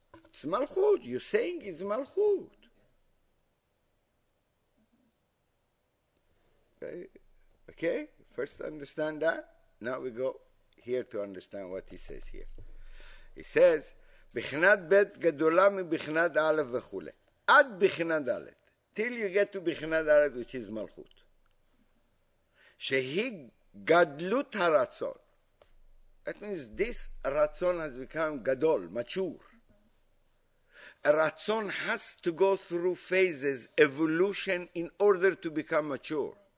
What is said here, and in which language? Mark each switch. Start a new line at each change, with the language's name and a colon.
English: It's Malchut. You're saying it's Malchut. Okay, first understand that. Now we go here to understand what he says here. He says,
Hebrew: בחינת ב' גדולה מבחינת א' וכו'. עד בחינת ד',
English: till you get to בחינת ד', which is מלכות.
Hebrew: שהיא גדלות הרצון.
English: That means this רצון has become גדול, mature. A רצון has to go through phases, evolution, in order to become mature.